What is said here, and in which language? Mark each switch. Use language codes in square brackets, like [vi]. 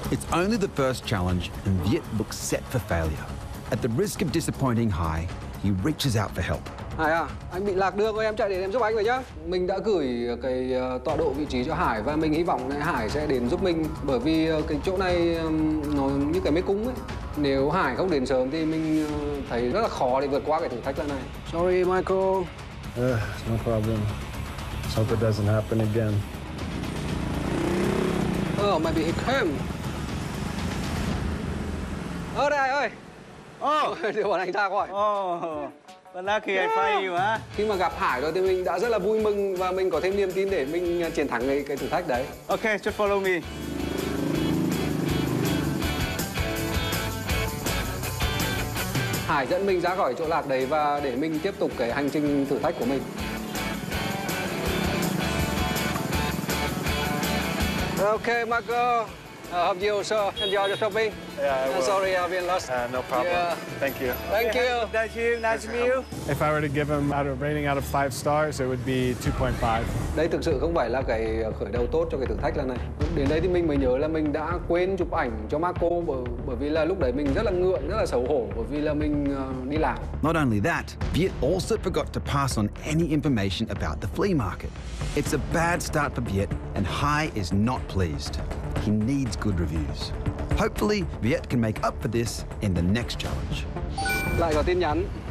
[en] It's only the first challenge, and Viet looks set for failure. At the risk of disappointing Hai, he reaches out for help. [vi] Hải à, anh bị lạc đường rồi, em chạy đến em giúp anh rồi nhá. Mình đã gửi cái tọa độ vị trí cho Hải và mình hy vọng là Hải sẽ đến giúp mình, bởi vì cái chỗ này nó như cái mê cung ấy. Nếu Hải không đến sớm thì mình thấy rất là khó để vượt qua cái thử thách lần này. [en] Sorry, Michael. No problem. Let's hope it doesn't happen again. Oh, maybe he came. [vi] Ơ, đây ơi. Oh, để bọn anh ra khỏi. [en] Lucky, yeah. I find you, huh? [vi] Khi mà gặp Hải rồi thì mình đã rất là vui mừng và mình có thêm niềm tin để mình chiến thắng cái thử thách đấy. [en] Okay, just follow me. [vi] Hải dẫn mình ra khỏi chỗ lạc đấy và để mình tiếp tục cái hành trình thử thách của mình. [en] Okay, Marco, hope you also enjoy the shopping. Yeah, I'm sorry, I've been lost. No problem. Yeah. Thank you. Thank you. Thank you. Nice to meet you. If I were to give him out of rating out of 5 stars, it would be 2.5. [vi] Đây thực sự không phải là cái khởi đầu tốt cho cái thử thách lần này. Đến đây thì mình mới nhớ là mình đã quên chụp ảnh cho Marco bởi vì là lúc đấy mình rất là ngượng, rất là xấu hổ bởi vì là mình đi lạc. [en] Not only that, Viet also forgot to pass on any information about the flea market. It's a bad start for Viet, and Hai is not pleased. He needs good reviews. Hopefully, Viet can make up for this in the next challenge. [vi] Lại có tin nhắn.